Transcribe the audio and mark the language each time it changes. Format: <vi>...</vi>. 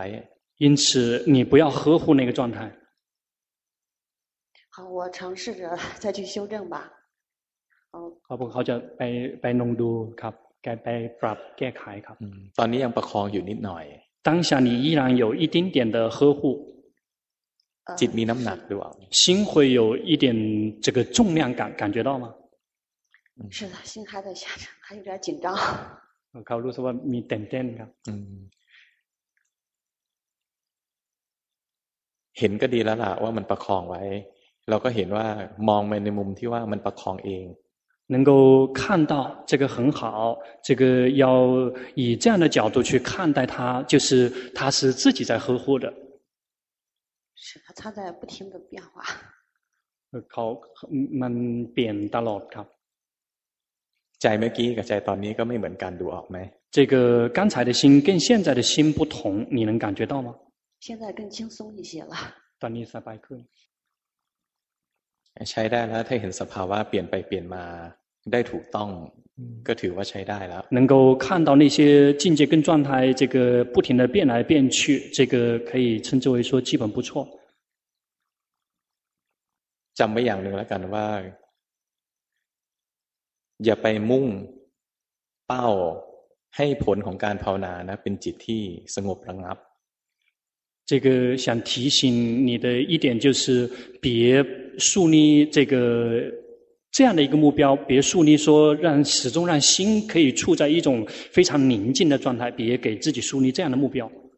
<zh>因此你不要呵护那个状态好我尝试着再去修正吧</zh> <th>ครับเขาจะไปลองดูครับแก้ไปปรับแก้ไขครับ ตอนนี้ยังประคองอยู่นิดหน่อย</th> <zh>当下你依然有一丁点的呵护</zh> <th>จิตมีน้ำหนักหรือเปล่า</th> <zh>心会有一点这个重量感觉到吗是的心还在下沉还有点紧张</zh> <th>เขารู้สึกว่ามีเต้นๆครับ เห็นก็ดีแล้วล่ะว่ามันประคองไว้เราก็เห็นว่ามองไปในมุมที่ว่ามันประคองเอง</th> <zh>能够看到这个很好这个要以这样的角度去看待它就是它是自己在呵护的是的它在不停的变化</zh> <th>เขามันเปลี่ยนตลอดครับ ใจเมื่อกี้กับใจตอนนี้ก็ไม่เหมือนกันดูออกไหม</th> <zh>这个刚才的心跟现在的心不同你能感觉到吗现在更轻松一些了</zh> <th>ตอนนี้สบายขึ้น ใช้ได้แล้วถ้าเห็นสภาวะเปลี่ยนไปเปลี่ยนมาได้ถูกต้องก็ถือว่าใช้ได้แล้ว</th> <zh>能够看到那些境界跟状态这个不停的变来变去这个可以称之为说基本不错</zh> <th>จำไว้อย่างหนึ่งแล้วกันว่าอย่าไปมุ่งเป้าให้ผลของการภาวนานะเป็นจิตที่สงบระงับ</th> <zh>这个想提醒你的一点就是别树立这个这样的一个目标别树立说让始终让心可以处在一种非常宁静的状态别给自己树立这样的目标</zh>